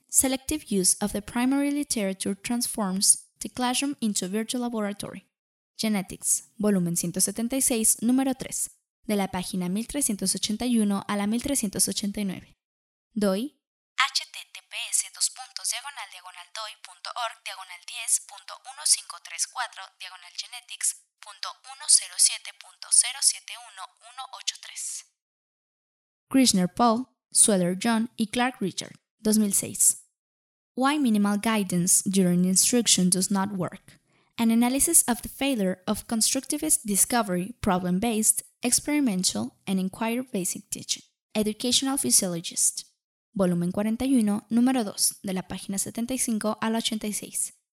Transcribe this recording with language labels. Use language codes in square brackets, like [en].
[en] Selective Use of the Primary Literature Transforms the Classroom into a Virtual Laboratory. [es] Genetics, volumen 176, número 3, de la página 1381 a la 1389. [en] DOI https://diagonal/doi.org/10.1534/genetics.107.071183. [es] Krishner Paul, Sweller John y Clark Richard, 2006. [en] Why Minimal Guidance During Instruction Does Not Work? An Analysis of the Failure of Constructivist Discovery, Problem-Based, Experimental, and Inquiry Basic Teaching. Educational Physiologist. [es] Volumen 41, número 2, de la página 75 al 86.